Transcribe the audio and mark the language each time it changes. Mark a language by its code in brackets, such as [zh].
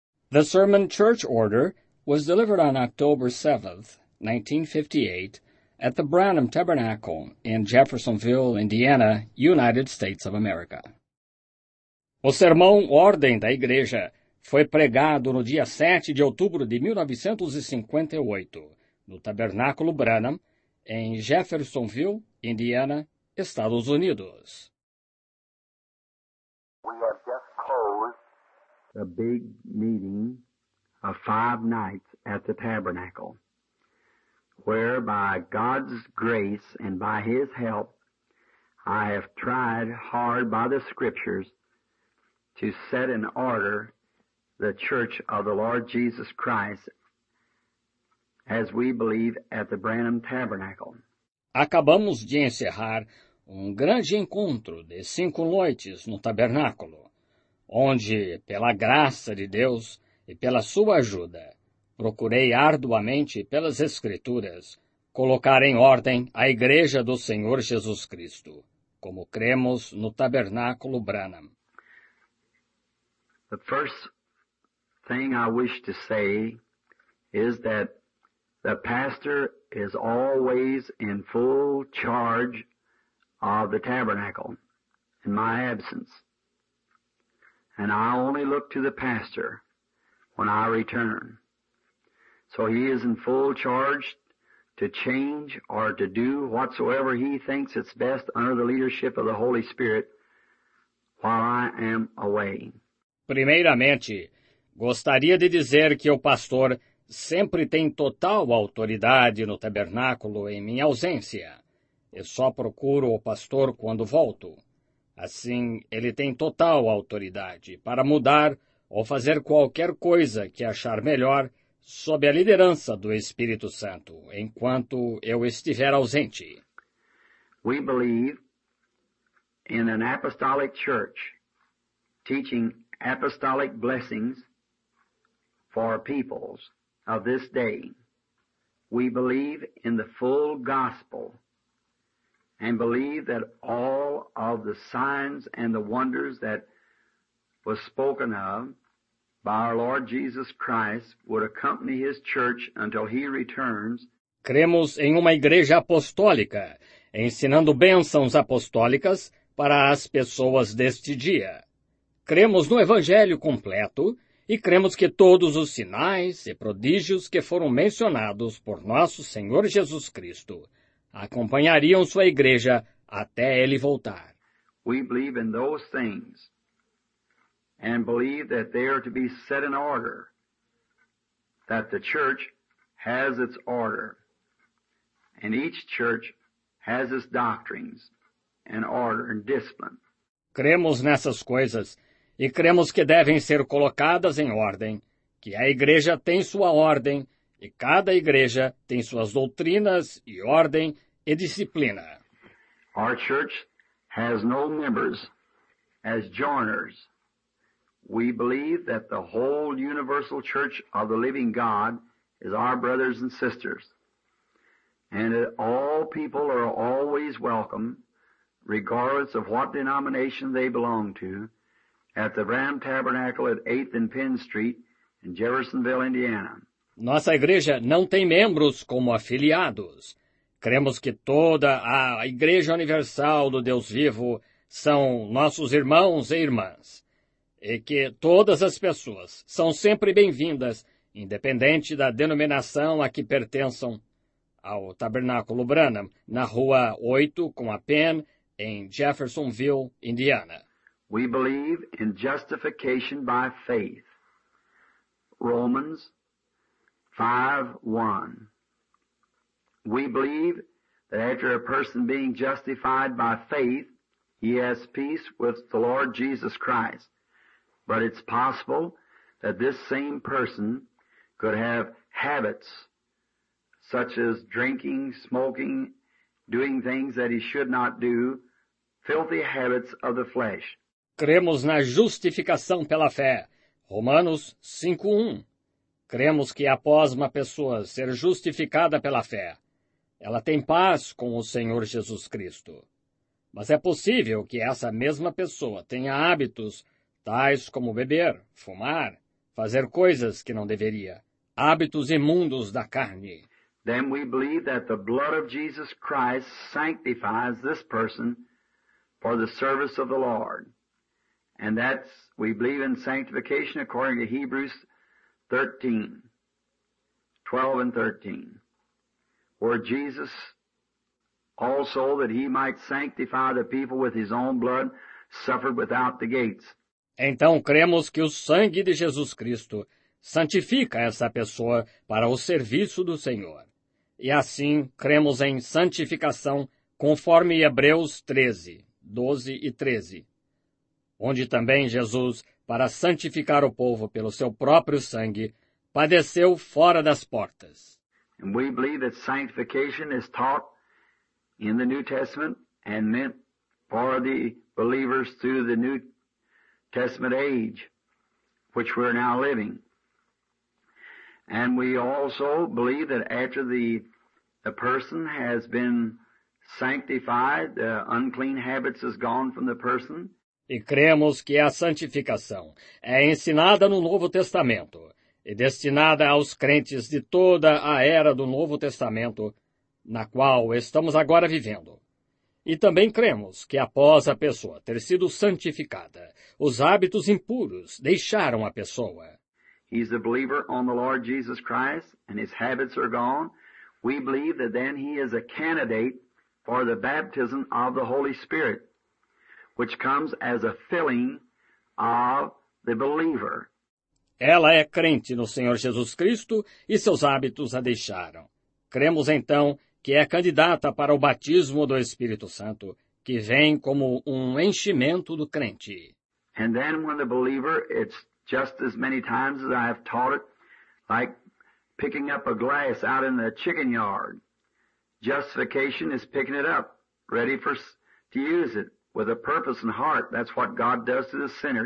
[en] The sermon church order was delivered on October 7, 1958, at the Branham Tabernacle in Jeffersonville, Indiana, United States of America. [pt] O sermão Ordem da Igreja foi pregado no dia 7 de outubro de 1958, no Tabernáculo Branham, em Jeffersonville, Indiana, Estados Unidos. [en] We have just closed a big meeting of 5 nights at the Tabernacle, where by God's grace and by His help, I have tried hard by the Scriptures to set in order the Church of the Lord Jesus Christ as we believe at the Branham Tabernacle. [pt] Acabamos de encerrar grande encontro de 5 noites no Tabernáculo, onde, pela graça de Deus e pela sua ajuda, procurei arduamente pelas Escrituras colocar em ordem a Igreja do Senhor Jesus Cristo, como cremos no Tabernáculo Branham. [en] The first thing I wish to say is that the pastor is always in full charge of the Tabernacle in my absence, and I only look to the pastor when I return. So he is in full charge to change or to do whatsoever he thinks it's best under the leadership of the Holy Spirit while I am away. [pt] Primeiramente, gostaria de dizer que o pastor sempre tem total autoridade no Tabernáculo em minha ausência. Eu só procuro o pastor quando volto. Assim, ele tem total autoridade para mudar ou fazer qualquer coisa que achar melhor sob a liderança do Espírito Santo, enquanto eu estiver ausente. [en] We believe in an apostolic church teaching apostolic blessings for peoples of this day. We believe in the full gospel and believe that all of the signs and the wonders that was spoken of by our Lord Jesus Christ would accompany His church until He returns. [pt] Cremos em uma igreja apostólica, ensinando bênçãos apostólicas para as pessoas deste dia. Cremos no Evangelho completo e cremos que todos os sinais e prodígios que foram mencionados por nosso Senhor Jesus Cristo acompanhariam sua igreja até Ele voltar. [en] We believe in those things and believe that they are to be set in order, that the church has its order, and each church has its doctrines and order and discipline. [pt] Cremos nessas coisas e cremos que devem ser colocadas em ordem, que a igreja tem sua ordem e cada igreja tem suas doutrinas e ordem e disciplina. [en] Our church has no members as joiners. We believe that the whole universal church of the living God is our brothers and sisters, and that all people are always welcome, regardless of what denomination they belong to, at the Branham Tabernacle at 8th and Penn Street in Jeffersonville, Indiana. [pt] Nossa igreja não tem membros como afiliados. Cremos que toda a Igreja Universal do Deus Vivo são nossos irmãos e irmãs, e que todas as pessoas são sempre bem-vindas, independente da denominação a que pertençam, ao Tabernáculo Branham, na Rua 8 com a Penn, em Jeffersonville, Indiana. [en] We believe in justification by faith. Romans 5:1. We believe that after a person being justified by faith, he has peace with the Lord Jesus Christ. But it's possible that this same person could have habits such as drinking, smoking, doing things that he should not do, filthy habits of the flesh. [pt] Cremos na justificação pela fé. Romanos 5:1. Cremos que após uma pessoa ser justificada pela fé, ela tem paz com o Senhor Jesus Cristo. Mas é possível que essa mesma pessoa tenha hábitos tais como beber, fumar, fazer coisas que não deveria, hábitos imundos da carne. [en] Then we believe that the blood of Jesus Christ sanctifies this person for the service of the Lord. And that's, we believe in sanctification according to Hebrews 12 and 13, where Jesus also, that he might sanctify the people with his own blood, suffered without the gates. [pt] Então, cremos que o sangue de Jesus Cristo santifica essa pessoa para o serviço do Senhor. E assim, cremos em santificação conforme Hebreus 13:12 e 13, onde também Jesus, para santificar o povo pelo seu próprio sangue, padeceu fora das portas. [en] And we believe that sanctification is taught in the New Testament and meant for the believers through the New Testament age, which we're now living. And we also believe that after the person has been sanctified, the unclean habits is gone from the person. [pt] E cremos que a santificação é ensinada no Novo Testamento e destinada aos crentes de toda a era do Novo Testamento, na qual estamos agora vivendo. E também cremos que após a pessoa ter sido santificada, os hábitos impuros deixaram a pessoa. [en] He's a believer on the Lord Jesus Christ, and his habits are gone. We believe that then he is a candidate for the baptism of the Holy Spirit, which comes as a filling of the believer. [pt] Ela é crente no Senhor Jesus Cristo e seus hábitos a deixaram. Cremos, então, que é candidata para o batismo do Espírito Santo, que vem como um enchimento do crente. [en] And then when the believer, it's just as many times as I have taught it, like picking up a glass out in the chicken yard. Justification is picking it up, ready for to use it, with a purpose and heart. That's what God does to the sinner.